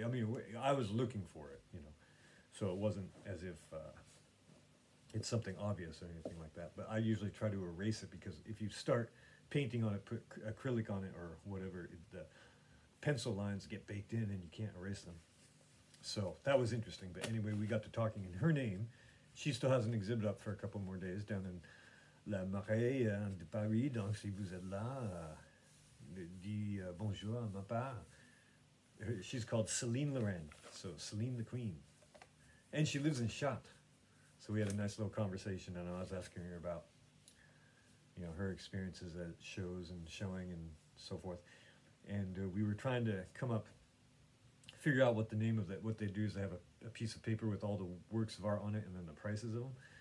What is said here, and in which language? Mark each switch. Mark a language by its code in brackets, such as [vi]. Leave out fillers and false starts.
[en] I mean, I was looking for it, you know, so it wasn't as if it's something obvious or anything like that. But I usually try to erase it, because if you start painting on it, put acrylic on it or whatever, the pencil lines get baked in and you can't erase them. So that was interesting. But anyway, we got to talking in her name. She still has an exhibit up for a couple more days down in La Marais de Paris. [fr] Donc, si vous êtes là, dis bonjour à ma part. [en] She's called Céline Lorraine, so Céline the Queen. And she lives in Chartres. So we had a nice little conversation, and I was asking her about, you know, her experiences at shows and showing and so forth. And we were trying to come up, figure out what the name of that, what they do is they have a piece of paper with all the works of art on it and then the prices of them.